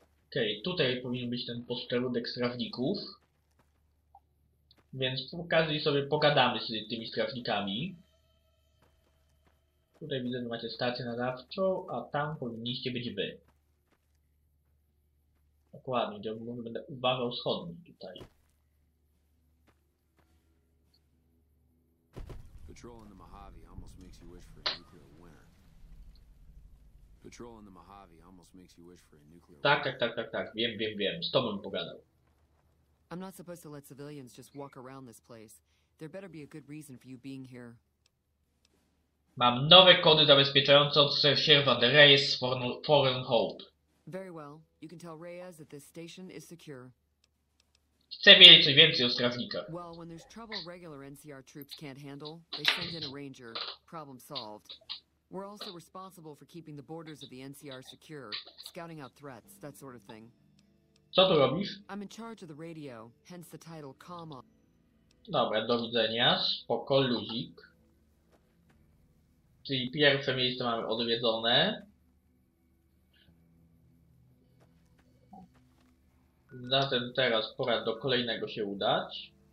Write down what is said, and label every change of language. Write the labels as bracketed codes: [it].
[pl] Okej, tutaj powinien być ten posterunek strażników. Więc przy okazji sobie pogadamy z tymi strażnikami. Tutaj widzę, że macie stację nadawczą, a tam powinniście być wy. Dokładnie, gdzie będę uwagę schodni tutaj. [en] Patrolling the Mojave almost makes you wish for a nuclear winter. Patrolling the Mojave almost makes you wish for a nuclear winter. [pl] Tak, wiem, z tobą bym pogadał. [en] I'm not supposed to let civilians just walk around this place. There better be a good reason for you being here. [pl] Mam nowe kody zabezpieczające od sierżant Reyes z Foreign Hope. [en] Very well. You can tell Reyes that this station is secure. [pl] Chcę wiedzieć coś więcej o strażnikach. [en] Well, when there's trouble regular NCR troops can't handle, they send in a ranger. Problem solved. We're also responsible for keeping the borders of the NCR secure, scouting out threats, that sort of thing. [pl] Co tu robisz? [en] I'm in charge of the radio, hence the title comma. [pl] Dobra, do widzenia. Spoko, luzik. Czyli pierwsze miejsce mamy odwiedzone. Zatem teraz pora do kolejnego się udać.